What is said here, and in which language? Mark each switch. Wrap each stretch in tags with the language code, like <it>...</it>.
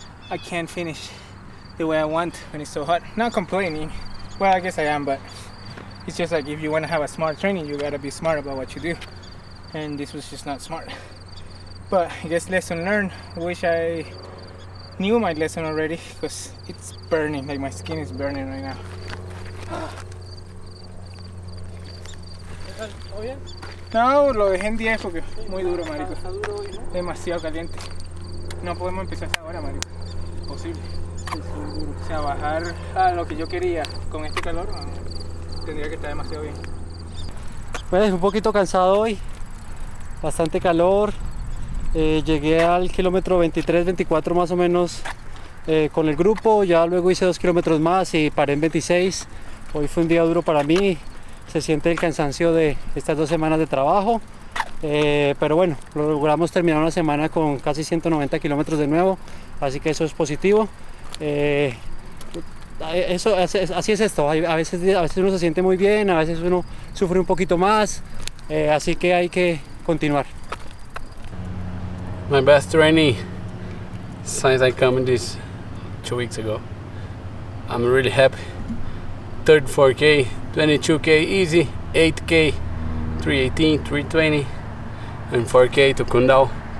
<en>I can't finish the way I want when it's so hot. Not complaining, well, I guess I am, but it's just like, if you want to have a smart training, you gotta be smart about what you do, and this was just not smart. But I guess lesson learned. Wish I knew my lesson already, because it's burning, like my skin is burning right now.</en> <es>No, lo dejé en 10 porque muy duro, marico. Demasiado caliente. No podemos empezar ahora, marico. Imposible. O sea, bajar a lo que yo quería con este calor, tendría que estar demasiado bien. Bueno, es un poquito cansado hoy. Bastante calor. Llegué al kilómetro 23, 24 más o menos con el grupo. Ya luego hice 2 kilómetros más y paré en 26. Hoy fue un día duro para mí. Se siente el cansancio de estas 2 semanas de trabajo. Pero bueno, logramos terminar una semana con casi 190 kilómetros de nuevo. Así que eso es positivo. Eso, así es esto. A veces uno se siente muy bien, a veces uno sufre un poquito más. Así que hay que continuar.</es> <en>My best training since I come in this 2 weeks ago. I'm really happy. 34K, 22K easy, 8K, 318, 320, and 4K to Kundal.</en>